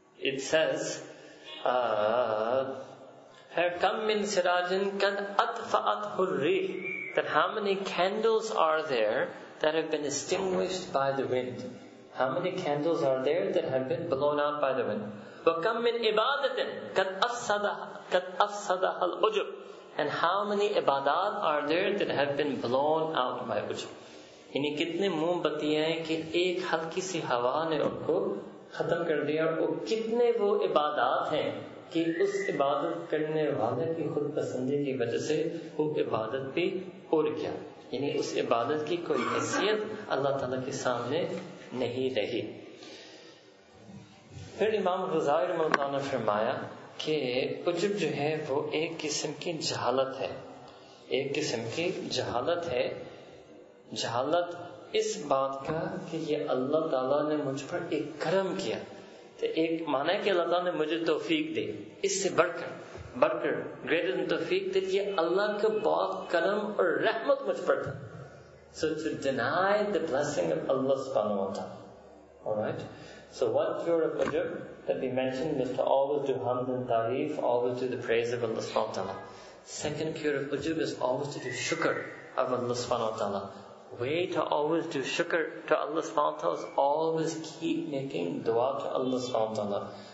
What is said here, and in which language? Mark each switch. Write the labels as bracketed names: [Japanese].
[English] It says, [Arabic] "Herkam min sirajin kad atfa'at hurrih," [English] that how many candles are there that have been extinguished by the wind? How many candles are there that have been blown out by the wind? [Arabic] "Wakam min ibadatin kad afsadaha al-ujub," [English] and how many ibadat are there that have been blown out by ujub? [Urdu] یعنی کتنے موم بتیاں ہیں کہ ایک ہلکی سی ہوا نے ان کو ختم کر دیا, اور کتنے وہ عبادات ہیں کہ اس عبادت کرنے والے کی خود پسندی کی وجہ سے وہ عبادت بھی اڑ گیا, یعنی اس عبادت کی کوئی حیثیت اللہ تعالی کے سامنے نہیں رہی. پھر امام غزالی رحمۃ اللہ نے فرمایا کہ عجب جو ہے وہ ایک قسم کی جہالت ہے, ایک قسم کی جہالت ہے, جہالت اس بات کا کہ یہ اللہ تعالیٰ نے مجھ پر ایک کرم کیا, تو ایک معنی کہ اللہ تعالیٰ نے مجھے توفیق دی, اس سے بڑھ کر [English] greater than [Urdu] توفیق دی, یہ اللہ کا بہت کرم اور رحمت مجھ پر تھا. [English] So to deny the blessing of Allah سبحانہ وتعالیٰ. Alright. So what you're a ujub that we mentioned is to always do hamd and tarif, always do the praise of Allah سبحانہ وتعالیٰ. Second cure of ujub is always to do shukr of Allah سبحانہ وتعالیٰ. Way to always do shukr to Allah subhanahu wa ta'ala is always keep making dua to Allah subhanahu wa ta'ala.